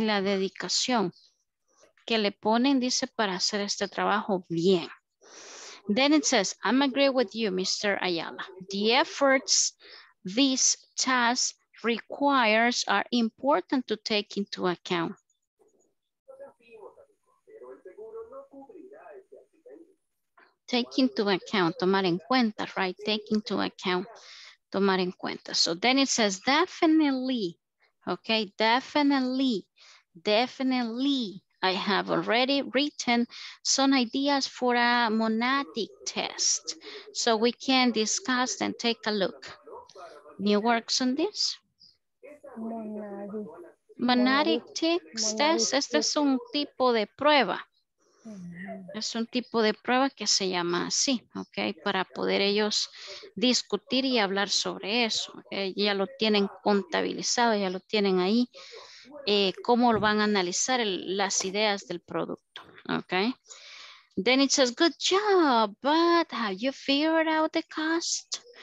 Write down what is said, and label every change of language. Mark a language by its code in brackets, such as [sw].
[es] La dedicación que le ponen, dice, para hacer este trabajo bien. [en] Then it says, I'm agree with you, Mr. Ayala. The efforts this task requires are important to take into account. Take into account, [es] tomar en cuenta, [en] right? Take into account, tomar en cuenta. So then it says, definitely, okay? Definitely, definitely. I have already written some ideas for a monadic test, so we can discuss and take a look. New works on this? Monadic [es] test. Este es un tipo de prueba. Es un tipo de prueba que se llama así, ¿ok? Para poder ellos discutir y hablar sobre eso. ¿Okay? Ya lo tienen contabilizado, ya lo tienen ahí. Cómo lo van a analizar las ideas del producto, okay? [en] Then it says, good job, but have you figured out the cost?